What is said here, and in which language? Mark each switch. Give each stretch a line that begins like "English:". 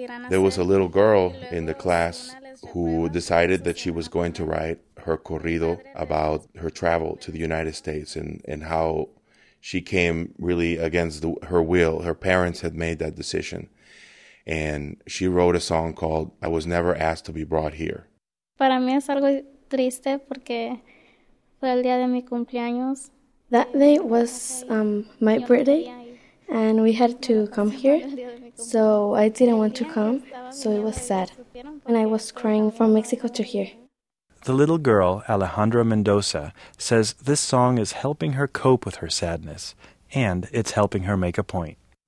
English: There was a little girl in the class who decided that she was going to write her corrido about her travel to the United States and how she came really against her will. Her parents had made that decision. And she wrote a song called, I Was Never Asked to Be Brought Here.
Spanish: Para mí es algo triste porque fue el día de mi cumpleaños.
English: That day was my birthday, and we had to come here. So I didn't want to come, so it was sad. And I was crying from Mexico to here. The little girl, Alejandra Mendoza, says this song is helping her cope with her sadness, and it's helping her make a point.